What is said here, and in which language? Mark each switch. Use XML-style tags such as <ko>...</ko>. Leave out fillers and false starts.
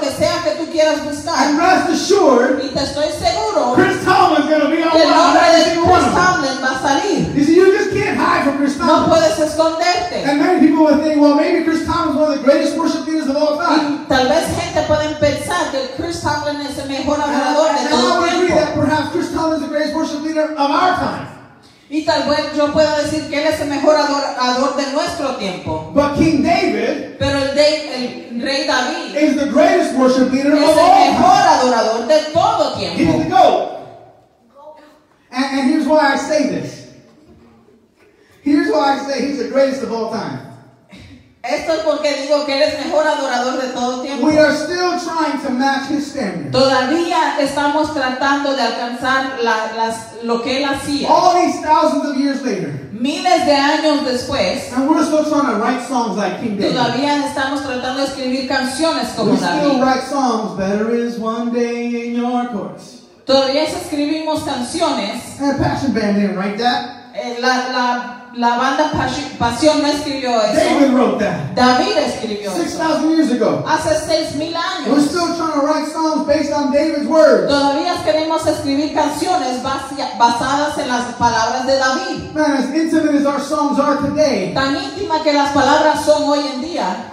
<es>Buscar lo que sea que tú quieras buscar.</es> <en>And rest assured.</en> <es>Y te estoy seguro.</es> <en>Chris Tomlin's gonna be on</en> <es>Que el nombre de Chris Tomlin va a salir.</es> <en>You see, you just can't hide from Chris Tomlin.</en> <es>No puedes esconderte.</es> <en>And many people would think, well, maybe Chris Tomlin's one of the greatest worship leaders of all time.</en> <es>Y tal vez gente pueden pensar que Chris Tomlin es el mejor adorador de todo el tiempo.</es> <en>And I would agree that perhaps Chris Tomlin's the greatest worship leader of our time.</en> <es>Y tal vez yo pueda decir que él es el mejor adorador de nuestro tiempo.</es> <en>But King David,</en> <es>pero el rey David</es> <en>is the greatest worship leader</en> <es>es</es> <en>of</en> <es>el</es> <en>all</en> <es>mejor</es> <en>time.</en> <es>Adorador de todo tiempo.</es> <en>He's the GOAT. And here's why I say this. Here's why I say he's the greatest of all time.</en> <es>Esto es porque digo que él es mejor adorador de todo tiempo.</es> <en>We are still trying to match his standards.</en> <es>Todavía estamos tratando de alcanzar lo que él hacía.</es> <en>All these thousands of years later.</en> <es>Miles de años después.</es> <en>And we're still trying to write songs like King David.</en> <es>Todavía estamos tratando de escribir canciones como</es> <en>we</en> <es>David.</es> <en>We still write songs. Better is one day in your courts.</en> <es>Todavía escribimos canciones.</es> <en>And the Passion Band didn't write that.</en> <es>La la banda Pasión no escribió eso.</es> <en>David wrote that.</en> <es>David escribió</es> <en>6,000 years ago.</en> <es>Hace 6,000 años.</es> <en>We're still trying to write songs based on David's words.</en> <es>Todavía queremos escribir canciones basadas en las palabras de David.</es> <en>Man, as intimate as our songs are today.</en> <es>Tan íntima que las palabras son hoy en día.</es>